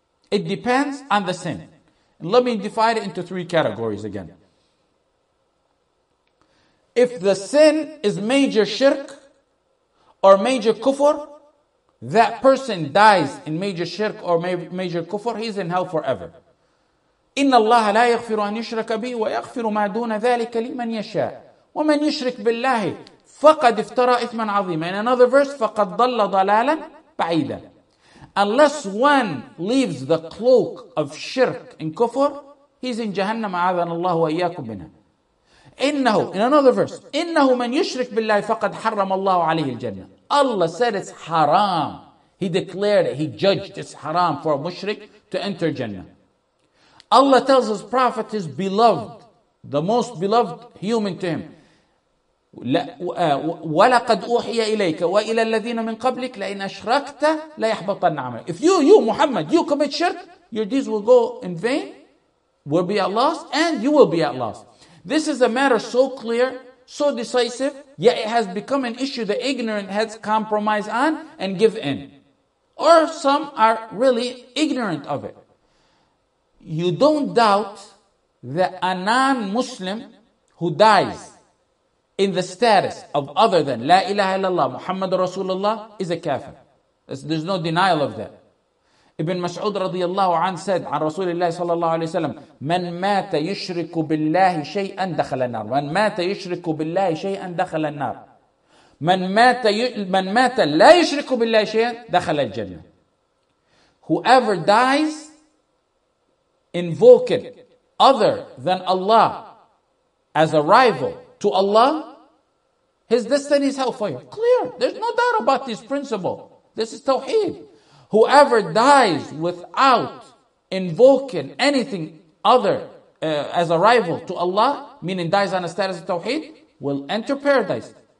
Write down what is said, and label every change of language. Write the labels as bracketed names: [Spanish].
[English] It depends on the sin. Let me divide it into three categories again. If the sin is major shirk or major kufr, that person dies in major shirk or major kufr, he's in hell forever. [Arabic] إِنَّ اللَّهَ لَا يَغْفِرُ أَنْ يُشْرَكَ بِهِ وَيَغْفِرُ مَا دُونَ ذَلِكَ لِمَنْ يَشَاءُ وَمَنْ يُشْرِكْ بِاللَّهِ فَقَدْ افْتَرَى إِثْمًا عَظِيمًا. [English] In another verse, [Arabic] فَقَدْ ضَلَّ ضَلَالًا بَعِيدًا. [English] Unless one leaves the cloak of shirk and kufr, he's in Jahannam, [Arabic] أَعَذَنَ اللَّهُ وَإِيَّاكُمْ مِنْهَا. إِنَّهُ, [English] in another verse, [Arabic] إِنَّهُ مَنْ يُشْرِكْ بِاللَّهِ فَقَدْ حَرَّمَ اللَّهُ عَلَيْهِ الْجَنَّةِ. [English] Allah said it's haram. He declared it. He judged it's haram for a mushrik to enter Jannah. Allah tells His Prophet, His beloved, the most beloved human to Him, [Arabic] لا ولقد أوحي إليك وإلى الذين من قبلك لئن أشركت لا يحبطن عملك. [English] If you Muhammad, you commit shirk, your deeds will go in vain, will be at loss, and you will be at loss. This is a matter so clear, so decisive, yet it has become an issue that ignorant heads compromise on and give in. Or some are really ignorant of it. You don't doubt that a non-Muslim who dies in the status of other than La ilaha illallah, Muhammad Rasulullah, is a kafir. There's no denial of that. Ibn Mas'ud radiyallahu anhu said, [Arabic] عن رسول الله صلى الله عليه وسلم, من مات يشرك بالله شيئا دخل النار. من مات يشرك بالله شيئا دخل النار. من مات لا يشرك بالله شيئا دخل الجنة. [English] Whoever dies invoking other than Allah as a rival to Allah, his destiny is hellfire. Clear. There's no doubt about this principle. This is tawheed. Whoever dies without invoking anything other as a rival to Allah, meaning dies on a status of tawheed, will enter paradise.